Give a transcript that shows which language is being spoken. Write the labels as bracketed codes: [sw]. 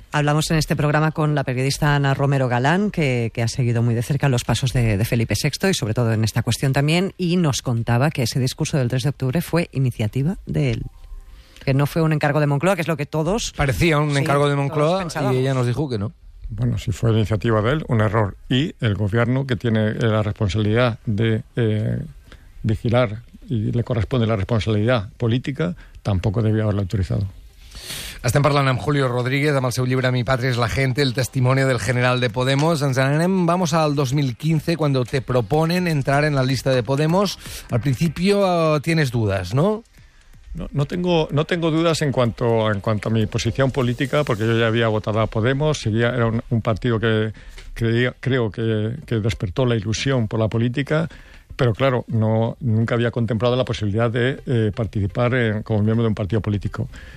[es] Hablamos en este programa con la periodista Ana Romero Galán, que ha seguido muy de cerca los pasos de Felipe VI y sobre todo en esta cuestión también, y nos contaba que ese discurso del 3 de octubre fue iniciativa de él, que no fue un encargo de Moncloa, que es lo que todos... Parecía un encargo de Moncloa y ella nos dijo que no. Bueno, si fue iniciativa de él, un error. Y el gobierno, que tiene la responsabilidad de vigilar y le corresponde la responsabilidad política, tampoco debía haberlo autorizado. [ca] Estem parlant amb Julio Rodríguez, amb el seu llibre Mi patria es la gente, el testimonio del general de Podemos. Ens anem, [es] vamos al 2015, cuando te proponen entrar en la lista de Podemos. Al principio tienes dudas, ¿no? No tengo dudas en cuanto a mi posición política, porque yo ya había votado a Podemos, era un partido que creo que despertó la ilusión por la política, pero claro, no, nunca había contemplado la posibilidad de participar como miembro de un partido político.